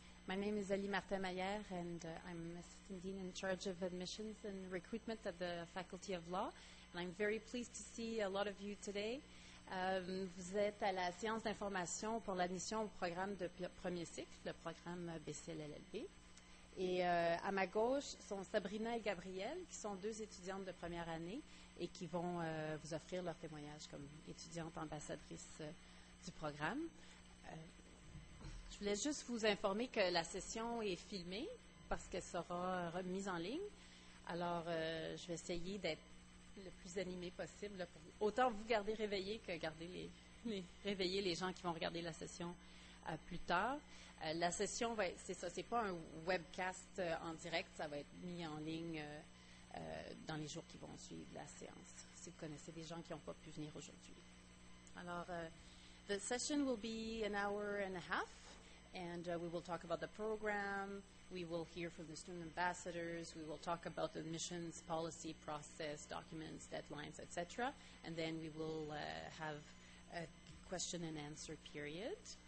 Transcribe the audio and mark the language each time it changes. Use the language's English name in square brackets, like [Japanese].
[English] My name is Ali Martin-Mayer, and I'm assistant dean in charge of admissions and recruitment at the Faculty of Law, and I'm very pleased to see a lot of you today. [French] Vous êtes à la séance d'information pour l'admission au programme de premier cycle, le programme BCLLLB. Et à ma gauche sont Sabrina et Gabrielle, qui sont deux étudiantes de première année et qui vont vous offrir leur témoignage comme étudiante ambassadrice du programme. Je voulais juste vous informer que la session est filmée parce qu'elle sera remise en ligne. Alors, je vais essayer d'être le plus animée possible, pour autant vous garder réveillé que garder réveiller les gens qui vont regarder la session plus tard. La session, c'est ça, c'est pas un webcast en direct, ça va être mis en ligne dans les jours qui vont suivre la séance, si vous connaissez des gens qui n'ont pas pu venir aujourd'hui. [English] Alors, the session will be an hour and a half, and we will talk about the program, we will hear from the student ambassadors, we will talk about the admissions policy, process, documents, deadlines, etc., and then we will have a question and answer period.